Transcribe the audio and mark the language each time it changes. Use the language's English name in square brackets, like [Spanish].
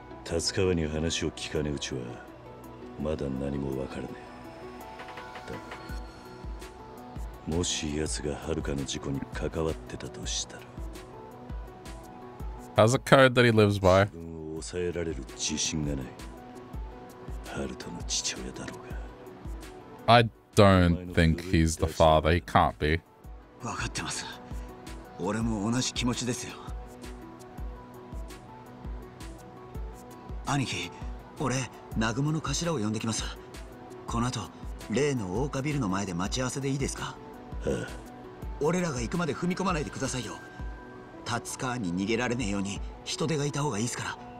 [Japanese] 達川に話を聞かねうちはまだ何もわからねえ。だもし奴が遥の事故に関わってたとしたら。 [English] Has a code that he lives by. [Japanese] 自分を抑えられる自信がない。遥の父親だろうが。 [English] I don't think he's the father. He can't be. [Japanese] 分かってます。俺も同じ気持ちですよ。兄貴、俺、南雲の頭を呼んできます。この後、例の大岡ビルの前で待ち合わせでいいですか？はあ、俺らが行くまで踏み込まないでくださいよ。タツカーに逃げられねえように人手がいた方がいいですから。